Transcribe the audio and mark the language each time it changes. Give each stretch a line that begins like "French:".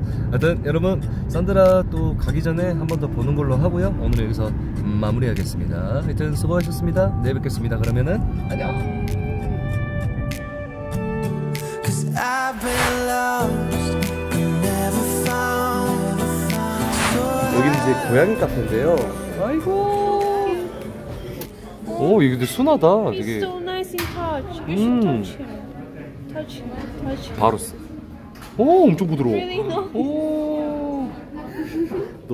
Korean: 하여튼 여러분 산드라 또 가기 전에 한 번 더 보는 걸로 하고요. 오늘 여기서 마무리하겠습니다. 하여튼 수고하셨습니다. 내일 뵙겠습니다. 그러면은 안녕.
English: Cause I've been lost, never found.
Korean: 여기는 이제 고양이 카페인데요. 아이고. 오 이게 되게 순하다. 되게.
English: He's so nice in touch. You should touch him. Touch him.
Korean: 바로 써. 오 엄청 부드러워.
English: Really? No. 오.